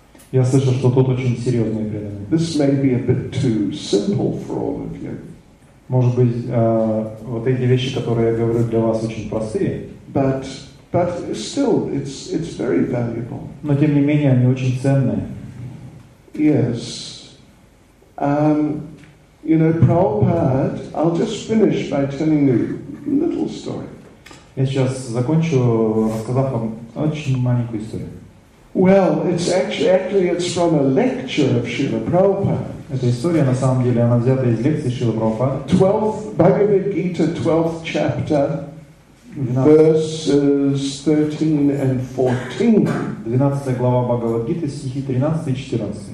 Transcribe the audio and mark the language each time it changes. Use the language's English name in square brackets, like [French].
[Russian] Я слышал, что тут очень серьезные преданные. [English] This may be a bit too simple for all of you. [Russian] Может быть, вот эти вещи, которые я говорю, для вас очень простые. [English] But still, it's very valuable. [Russian] Но тем не менее, они очень ценные. [English] Yes. You know, Prabhupada, I'll just finish by telling you a little story. [Russian] Я сейчас закончу, рассказав вам очень маленькую историю. [English] Well, it's actually it's from a lecture of Srila Prabhupada. [Russian] Эта история на самом деле она взята из лекции Шрилы Прабхупады. [English] 12th Bhagavad Gita 12th chapter. Verses 13 and 14. [Russian] 12 глава Бхагавад-гиты, стихи 13 и 14.